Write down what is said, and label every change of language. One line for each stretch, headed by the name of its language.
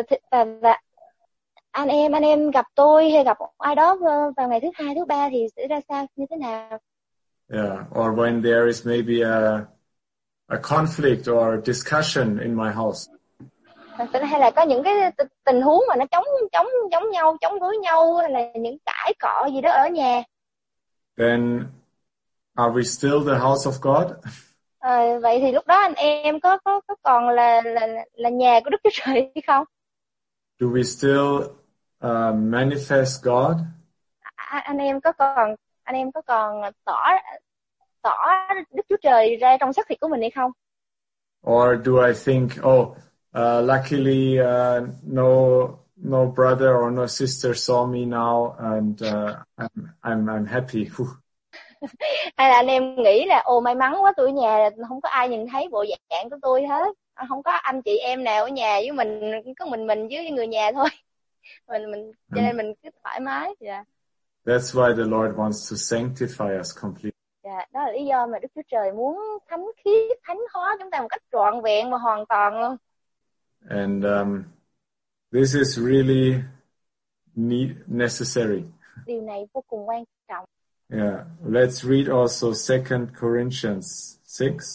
Vietnamese: Và anh em gặp tôi hay gặp ai đó vào ngày thứ hai, thứ ba thì sẽ ra sao, như thế nào?
English: Yeah, or when there is maybe a conflict or a discussion in my house.
Vietnamese: Hay là có những cái tình huống mà nó chống nhau, chống với nhau, hay là những cãi cọ gì đó ở nhà.
English: Then are we still the house of God?
Vietnamese: Vậy thì lúc đó anh em có còn là nhà của Đức Chúa Trời hay không?
English: Do we still manifest God?
Vietnamese: Anh em có còn tỏ Đức Chúa Trời ra trong xác thịt của mình hay không?
English: Or do I think, luckily no brother or no sister saw me now and I'm happy.
Vietnamese: Hay là anh em nghĩ là may mắn quá, tôi ở nhà không có ai nhìn thấy bộ dạng của tôi hết, không có anh chị em nào ở nhà với mình, có mình với người nhà thôi. Cho nên mình cứ thoải mái.
English: That's why the Lord wants to sanctify us completely.
Vietnamese: Đó là lý do mà Đức Chúa Trời muốn thánh khiết, thánh hóa chúng ta một cách trọn vẹn và hoàn toàn luôn.
English: And this is really necessary.
Vietnamese: Điều này vô cùng quan trọng.
English: Yeah, let's read also 2 Corinthians 6.